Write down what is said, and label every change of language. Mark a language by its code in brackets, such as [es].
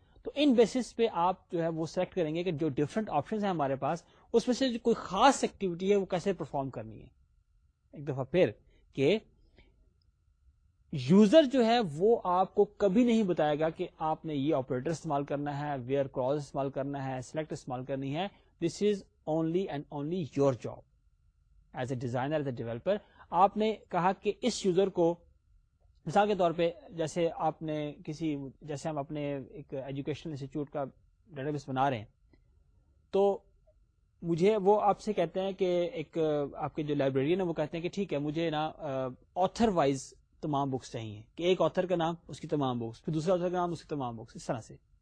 [ur] تو ان بیسس پہ آپ جو ہے وہ سلیکٹ کریں گے کہ جو ڈفرنٹ آپشنز ہیں ہمارے پاس اس میں سے جو کوئی خاص ایکٹیویٹی ہے وہ کیسے پرفارم کرنی ہے. ایک دفعہ پھر کہ یوزر جو ہے وہ آپ کو کبھی نہیں بتائے گا کہ آپ نے یہ آپریٹر استعمال کرنا ہے, ویئر کلاز استعمال کرنا ہے, سلیکٹ استعمال کرنی ہے. [en] This is only and only your job as a designer, as a developer. [ur] آپ نے کہا کہ اس یوزر کو مثال کے طور پہ جیسے آپ نے کسی جیسے ہم اپنے ایک ایجوکیشنل انسٹیٹیوٹ کا ڈیٹا بیس بنا رہے ہیں تو مجھے وہ آپ سے کہتے ہیں کہ ایک آپ کے جو لائبریرین ہے وہ کہتے ہیں کہ ٹھیک ہے مجھے نا آتھر وائز تمام بکس چاہیے, کہ ایک آتھر کا نام اس کی تمام بکس, پھر دوسرے آتھر کا نام اس کی تمام بکس, اس طرح سے.